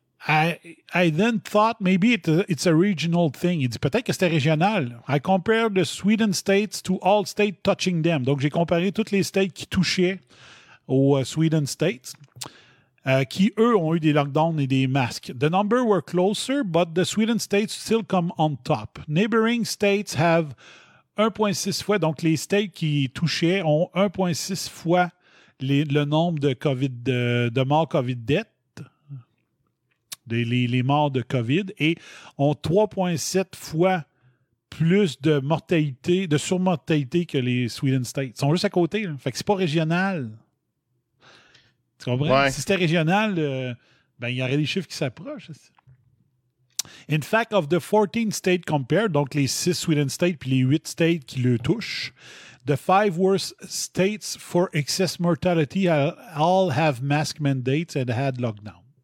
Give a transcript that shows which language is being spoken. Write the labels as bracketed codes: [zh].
[en] I then thought maybe it's a regional thing. [fr] Il dit peut-être que c'était régional. [en] I compared the Sweden states to all states touching them. [fr] Donc, j'ai comparé toutes les states qui touchaient aux Sweden states, qui, eux, ont eu des lockdowns et des masques. [en] The number were closer, but the Sweden states still come on top. Neighboring states have [fr] 1,6 fois, donc les states qui touchaient ont 1,6 fois le nombre de COVID de morts COVID-death, les morts de COVID, et ont 3,7 fois plus de mortalité, de surmortalité que les Sweden States. Ils sont juste à côté. Là. Fait que c'est pas régional. Tu comprends? Ouais. Si c'était régional, ben, y aurait des chiffres qui s'approchent. [en] In fact, of the 14 states compared, [fr] donc les 6 Sweden States puis les 8 states qui le touchent, [en] the 5 worst states for excess mortality all have mask mandates and had lockdown.